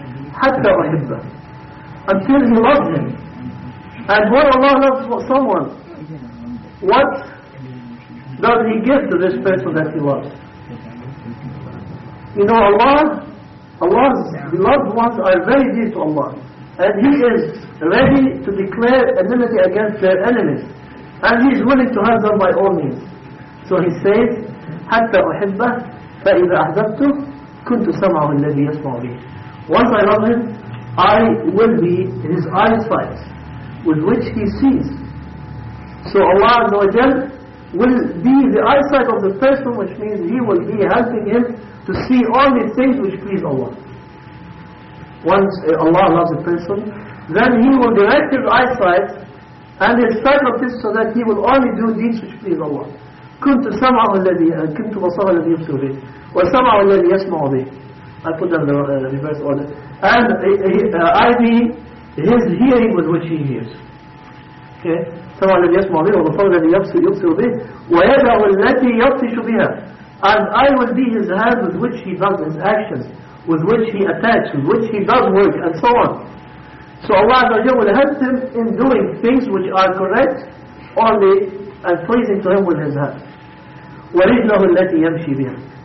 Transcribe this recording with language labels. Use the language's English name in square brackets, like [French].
[Arabic] حَتَّى أُحِبَّهُ [English] until he loves him. And when Allah loves someone, what does he give to this person that he loves? You know, Allah's beloved ones are very dear to Allah. And He is ready to declare enmity against their enemies. And He is willing to have them by all means. So He says, [Arabic] حَتَّى أُحِبَّهُ فَإِذَا أَحْبَبْتُ كُنْتُ سَمْعَهُ الَّذِي يَسْمَعُ بِهِ. [English] Once I love Him, I will be His eyesight with which He sees. So Allah will be the eyesight of the person, which means He will be helping him to see all the things which please Allah. Once Allah loves a person, then He will direct his eyesight and his sight of this so that he will only do deeds which please Allah. [Arabic] كنت سمع الذي كنت بصر الذي يبصر به وسمع الذي يسمع به. [English] I put them in the reverse order. And I be his hearing with which he hears. Okay, [Arabic] سمع الذي يسمع به وبصر الذي يبصر به ويدع التي يبطش بها. [English] And I will be his hand with which he does his actions, with which he attacks, with which he does work, and so on. So Allah will help him in doing things which are correct, only and pleasing to him with his hand. [Arabic] وَرِجْنَهُ الَّتِي يَمْشِي بِهِ.